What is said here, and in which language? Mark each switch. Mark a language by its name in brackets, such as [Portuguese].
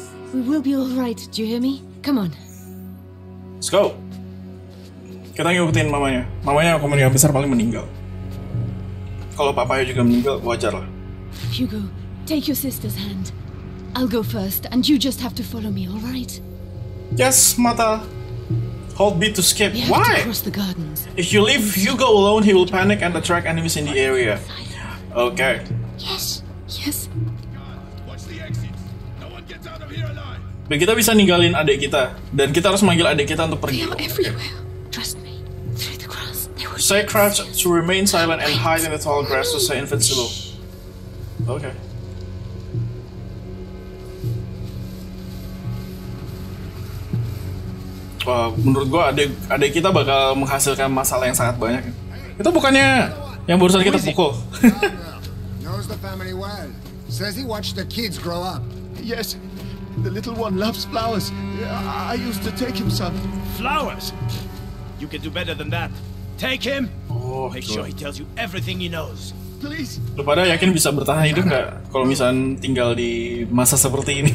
[English] We will be all right. Do you hear me? Come on. Let's go. [Indonesian] Kita ngikutin mamanya. Mamanya kemungkinan besar paling meninggal. Kalau papanya juga meninggal, wajar lah. [English] Hugo, take your sister's hand. I'll go first, and you just have to follow me, all right? Yes, Mata. Hold B to skip. We Why? Have to cross the gardens. If you leave Hugo alone, he will panic and attract enemies in the area. Okay. Yes. Yes. [Indonesian] Dan kita bisa ninggalin adik kita, dan kita harus manggil adik kita untuk pergi. [English] They are everywhere. Trust me. Through the grass, they will. Say crouch to remain silent and hide in the tall grass to stay invincible. Okay. [Indonesian] Menurut gua adik kita bakal menghasilkan masalah yang sangat banyak. Itu bukannya yang barusan kita pukul? [English] Knows the family well. Says he watched the kids grow up. Yes. The little one loves flowers. I used to take him some. Flowers? You can do better than that. Take him. Oh, make sure he tells you everything he knows. Please. [Indonesian] Lu pada yakin bisa bertahan hidup nggak kalau misal tinggal di masa seperti ini?